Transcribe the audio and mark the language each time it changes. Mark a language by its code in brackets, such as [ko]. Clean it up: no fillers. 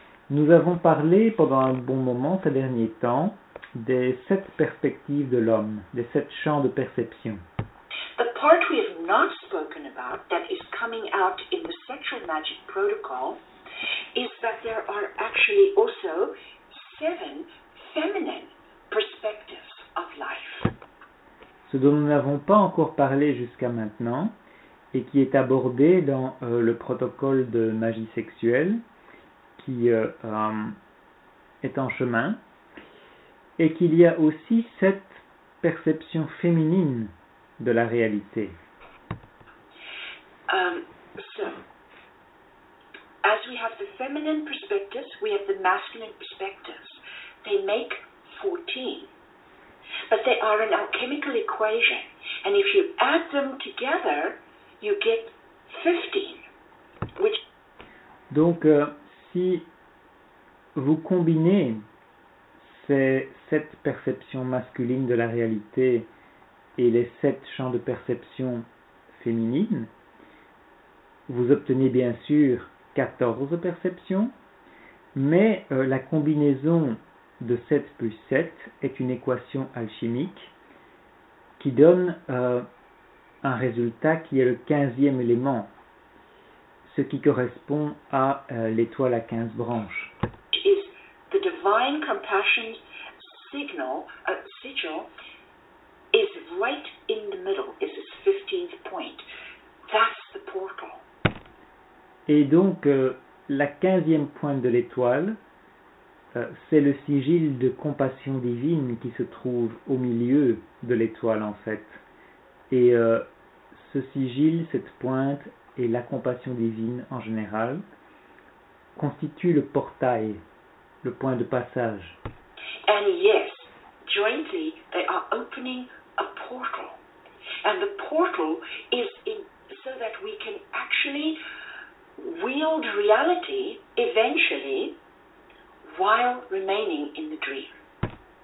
[fr] Nous avons parlé pendant un bon moment ces derniers temps des sept perspectives de l'homme, des sept champs de perception. [en] The part we have not spoken about that is coming out in the sexual magic protocol is that there are actually also seven feminine perspectives of life. [fr] Ce dont nous n'avons pas encore parlé jusqu'à maintenant et qui est abordé dans le protocole de magie sexuelle qui est en chemin, et qu'il y a aussi cette perception féminine de la réalité. [en] So, as we have the feminine perspectives, we have the masculine perspectives. They make 14. But they are an alchemical equation. And if you add them together, you get 15. Which... [fr] Donc, si vous combinez ces sept perceptions masculines de la réalité et les sept champs de perception féminine, vous obtenez bien sûr 14 perceptions, mais la combinaison de 7 plus 7 est une équation alchimique qui donne un résultat qui est le 15e élément, ce qui correspond à l'étoile à 15 branches. Divine compassion signal, sigil, is right in the middle. It's its 15th point. That's the portal. Et donc, la 15e pointe de l'étoile, c'est le sigil de compassion divine qui se trouve au milieu de l'étoile, en fait. Et ce sigil, cette pointe, et la compassion divine en général, constituent le portail. Le point de passage. [en] And yes, jointly they are opening a portal. And the portal is in, so that we can actually wield reality eventually while remaining in the dream.